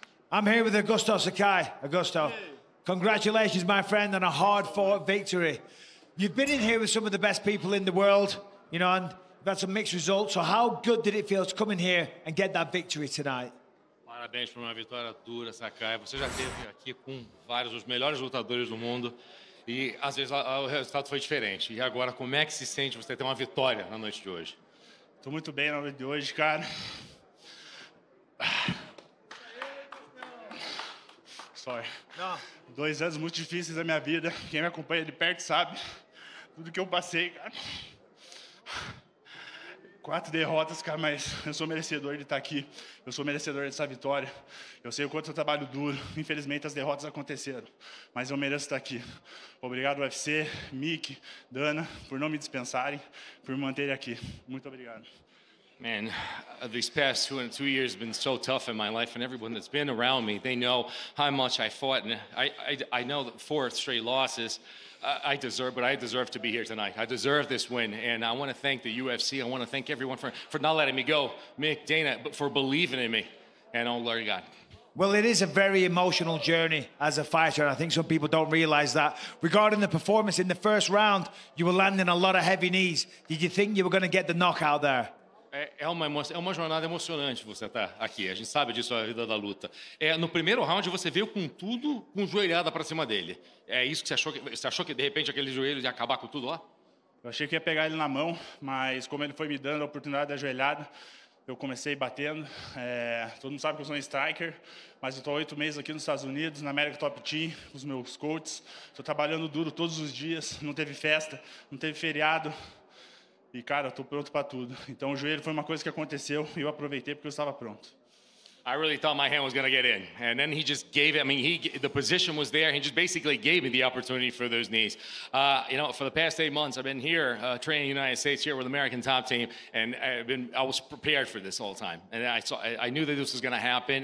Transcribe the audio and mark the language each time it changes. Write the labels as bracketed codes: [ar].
[en] I'm here with Augusto Sakai. Augusto, congratulations, my friend, on a hard-fought victory. You've been in here with some of the best people in the world, you know, and you've had some mixed results. So how good did it feel to come in here and get that victory tonight? [pt] Parabéns por uma vitória dura, Sakai. Você já esteve aqui com vários dos melhores lutadores do mundo e às vezes o resultado foi diferente. E agora, como é que se sente você ter uma vitória na noite de hoje? Tô muito bem na noite de hoje, cara. [en] Sorry. [pt] Não. 2 anos muito difíceis da minha vida. Quem me acompanha de perto sabe tudo que eu passei, cara. 4 derrotas, cara, mas eu sou merecedor de estar aqui. Eu sou merecedor dessa vitória. Eu sei o quanto eu trabalho duro. Infelizmente, as derrotas aconteceram. Mas eu mereço estar aqui. Obrigado, UFC, Mick, Dana, por não me dispensarem, por me manterem aqui. Muito obrigado. [en] Man, these past two years have been so tough in my life, and everyone that's been around me, they know how much I fought, and I know that 4 straight losses I deserve, but I deserve to be here tonight. I deserve this win, and I want to thank the UFC. I want to thank everyone for not letting me go, Mick, Dana, but for believing in me, and oh, Lord God. Well, it is a very emotional journey as a fighter, and I think some people don't realize that. Regarding the performance in the first round, you were landing a lot of heavy knees. Did you think you were going to get the knockout there? [pt] É uma jornada emocionante você estar aqui. A gente sabe disso, a vida da luta. É, no primeiro round, você veio com tudo, com joelhada para cima dele. É isso que você achou? Você achou que, de repente, aquele joelho ia acabar com tudo lá? Eu achei que ia pegar ele na mão, mas como ele foi me dando a oportunidade da joelhada, eu comecei batendo. É, todo mundo sabe que eu sou um striker, mas eu estou 8 meses aqui nos Estados Unidos, na América Top Team, com os meus coaches. Estou trabalhando duro todos os dias. Não teve festa, não teve feriado. E, cara, tô pronto para tudo. Então, o joelho foi uma coisa que aconteceu e eu aproveitei porque eu estava pronto. [en] I really thought my hand was going to get in. And then he just gave it. I mean, the position was there. He just basically gave me the opportunity for those knees. You know, for the past 8 months, I've been here training in the United States here with American Top Team. And I was prepared for this all the time. And I knew that this was going to happen.